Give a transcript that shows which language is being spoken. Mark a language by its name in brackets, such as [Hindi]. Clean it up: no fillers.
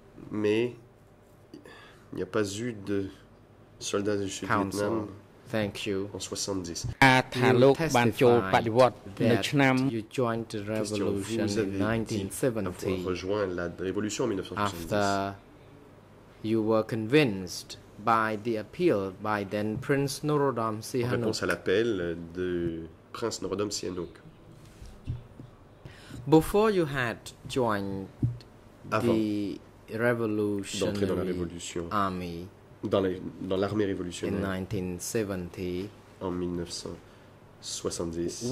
[French] Mais il n'y a pas eu de soldats du Sud-Vietnam en 1970. [English] You testified that you joined the revolution in 1970 after you were convinced by the appeal by then Prince Norodom Sihanouk. [French] En réponse à l'appel de Prince Norodom Sihanouk. [English] Before you had joined the revolution army, [French] dans l'armée révolutionnaire [English] in 1970, [French] en 1970,